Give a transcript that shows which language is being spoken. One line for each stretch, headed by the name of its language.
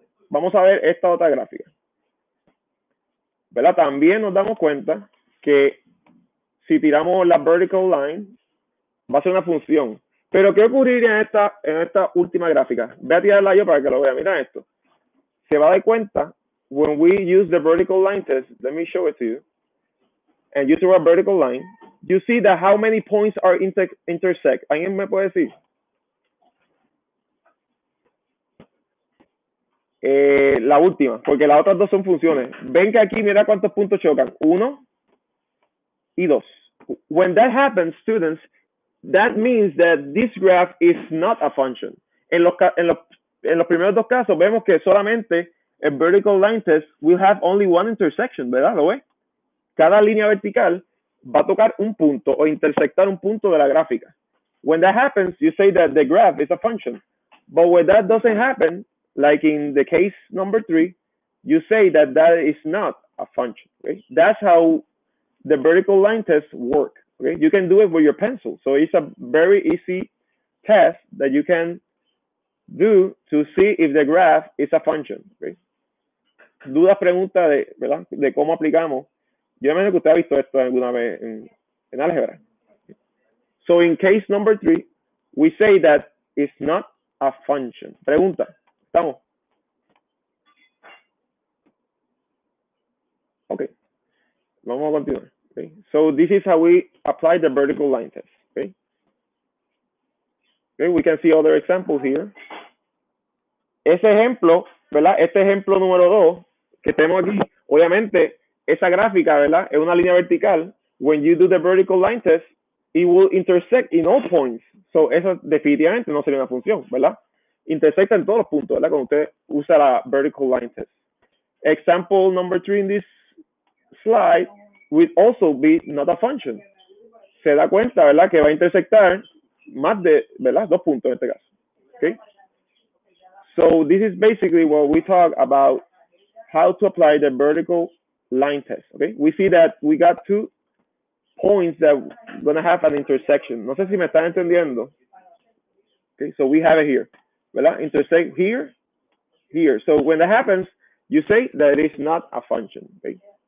Spanish: Vamos a ver esta otra gráfica, ¿verdad? También nos damos cuenta que si tiramos la vertical line, va a ser una función. Pero ¿qué ocurriría en esta última gráfica? Voy a tirarla yo para que lo vea. Mira esto. Se va a dar cuenta,
English: when we use the vertical line test, let me show it to you, and you throw a vertical line, you see that how many points are intersect.
Spanish: ¿Alguien me puede decir? La última, porque las otras dos son funciones. Ven que aquí, mira cuántos puntos chocan. Uno y dos.
English: When that happens, students, that means that this graph is not a function.
Spanish: En los primeros dos casos, vemos que solamente
English: a vertical line test will have only one intersection,
Spanish: ¿verdad? ¿Lo ves? Cada línea vertical va a tocar un punto o intersectar un punto de la gráfica.
English: When that happens, you say that the graph is a function. But when that doesn't happen, like in the case number three, you say that that is not a function, okay? That's how the vertical line test works, okay? You can do it with your pencil. So it's a very easy test that you can do to see if the graph is a function, okay?
Spanish: Dudas, preguntas de, ¿verdad? De cómo aplicamos. Yo imagino que usted ha visto esto alguna vez en álgebra.
English: So in case number three, we say that it's not a function.
Spanish: Pregunta. ¿Estamos? Okay. Vamos a continuar. Okay.
English: So this is how we apply the vertical line test. Okay. Okay. We can see other examples here.
Spanish: Ese ejemplo, ¿verdad? Este ejemplo número dos que tenemos aquí, obviamente, esa gráfica, ¿verdad? Es una línea vertical.
English: When you do the vertical line test, it will intersect in all points.
Spanish: So eso definitivamente no sería una función, ¿verdad? Intersecta en todos los puntos, ¿verdad? Cuando usted usa la vertical line test.
English: Example number three in this slide would also be not a function.
Spanish: Se da cuenta, ¿verdad? Que va a intersectar más de, ¿verdad? Dos puntos en este caso. Okay.
English: So this is basically what we talk about, how to apply the vertical line test, okay? We see that we got two points that are gonna have an intersection.
Spanish: No sé si me están entendiendo.
English: Okay, so we have it here,
Spanish: ¿verdad?
English: Intersect here, here. So when that happens, you say that it is not a function, okay?